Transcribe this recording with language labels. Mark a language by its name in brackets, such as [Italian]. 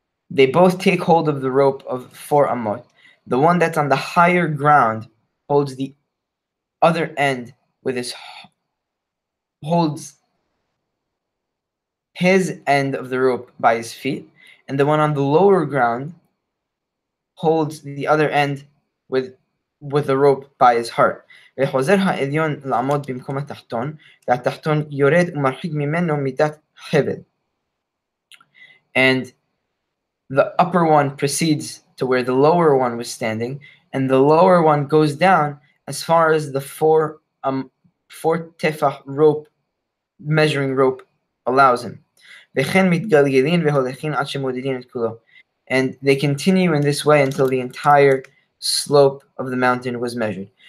[English] They both take hold of the rope of 4 amot. The one that's on the higher ground holds the other end with his, holds his end of the rope by his feet. And the one on the lower ground holds the other end with the rope by his heart. [Hebrew] וחוזר העליון לעמוד במקום התחתון, והתחתון יורד ומרחיק ממנו מידת חבל. [English] And the upper one proceeds to where the lower one was standing, and the lower one goes down as far as the four tefach rope, measuring rope, allows him. And they continue in this way until the entire slope of the mountain was measured.